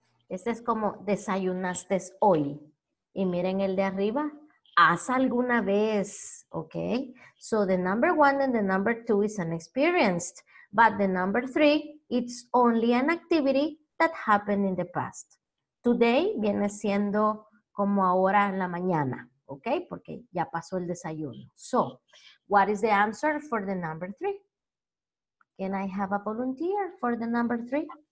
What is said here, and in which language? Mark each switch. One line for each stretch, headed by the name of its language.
Spanish: Este es como desayunaste hoy. Y miren el de arriba. Haz alguna vez. Okay.
English: So the number one and the number two is an experienced. But the number three, it's only an activity that happened in the past.
Spanish: Today viene siendo como ahora en la mañana. Okay, porque ya pasó el desayuno.
English: So, what is the answer for the number three? Can I have a volunteer for the number three?